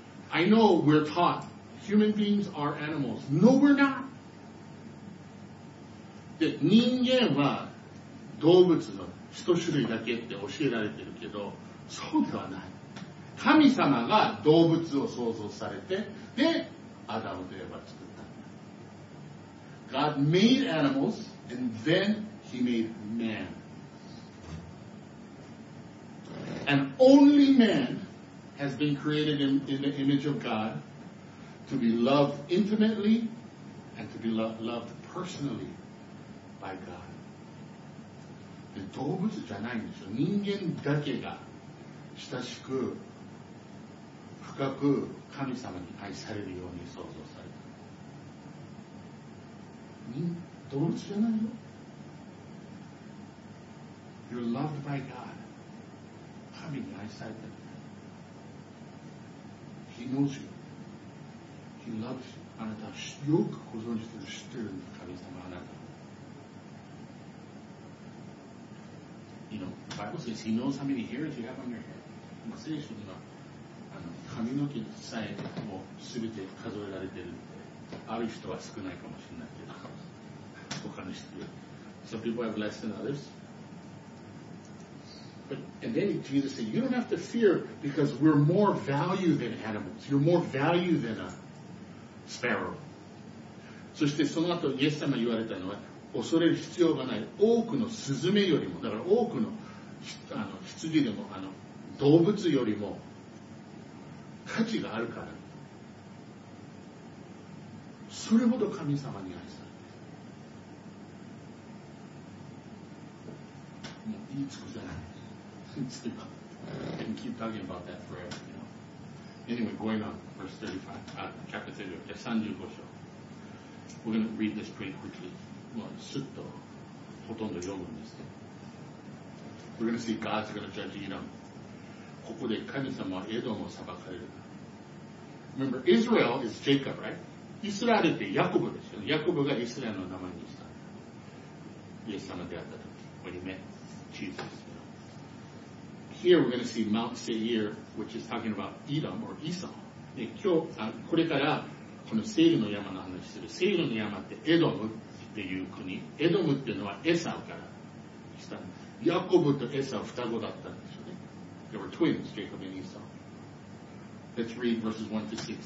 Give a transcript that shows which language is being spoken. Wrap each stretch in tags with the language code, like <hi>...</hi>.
<en>I know we're taught human beings are animals. No, we're not.</en> <ja>で、人間は動物の一種類だけって教えられてるけど、そうではない。神様が動物を創造されて、で、アダムとエバ作った。</ja> <en>God made animals and then he made man. And only man has been created in the image of God to be loved intimately and to be loved personally by God.</en> <ja>で、動物じゃないんですよ。人間だけが親しく深く神様に愛されるように創造された。動物じゃないよ。</ja> <en>You're loved by God.</en> <ja>神に愛されてる。</ja> <en>He knows you. He loves you.</en> <ja>あなたよくご存じてる、知ってるんだ、神様あなた。</ja> <en>You know, the Bible says He knows how many hairs you have on your head.</en> <ja>聖書には髪の毛さえもすべて数えられてる。ある人は少ないかもしれないけど、他の人は。</ja> <en>Some people have less than others. But, and then Jesus said, you don't have to fear because we're more value than animals. You're more value than a sparrow.</en> <ja>そしてその後イエス様が言われたのは、恐れる必要がない。多くのスズメよりも、だから多くの羊でも動物よりも価値があるから、それほど神様に愛されている。もう言い尽くせない。</ja> <en>I can keep talking about that forever, you know. Anyway, going on verse 35, chapter 35, 35章。 We're going to read this pretty quickly.</en> <ja>もうすっとほとんど読むんですけど、</ja> <en>We're going to see God's going to judge Edom.</en> <ja>ここで神様はエドムを裁かれる。</ja> <en>Remember, Israel is Jacob, right?</en> <ja>イスラエルってヤコブですよ。ヤコブがイスラエルの名前にした。イエス様であった時、</ja> <en>when he met Jesus. You know. Here we're going to see Mount Seir, which is talking about Edom or Esau.</en> <ja>で、今日、これからこのセイルの山の話する。セイルの山ってエドムっていう国。エドムっていうのはエサウからした。ヤコブとエサウ双子だったんですよね。</ja> <en>They were twins, Jacob and Esau. Let's read verses 1 to 6.</en>